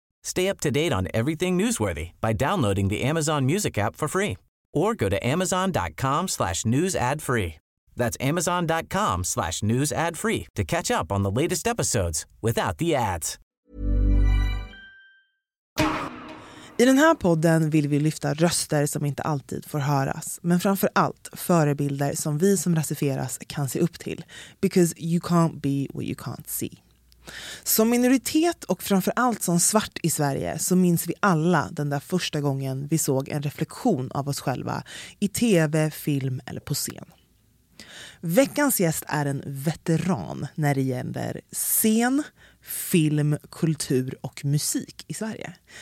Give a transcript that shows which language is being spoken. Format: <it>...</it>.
<en>Stay up to date on everything newsworthy by downloading the Amazon Music app for free. Or go to amazon.com/newsadfree. That's amazon.com/newsadfree to catch up on the latest episodes without the ads.</en> <sv>I den här podden vill vi lyfta röster som inte alltid får höras. Men framför allt förebilder som vi som rasifieras kan se upp till.</sv> <en>Because you can't be what you can't see.</en> <sv>Som minoritet och framförallt som svart i Sverige så minns vi alla den där första gången vi såg en reflektion av oss själva i tv, film eller på scen. Veckans gäst är en veteran när det gäller scen, film, kultur och musik i Sverige.</sv>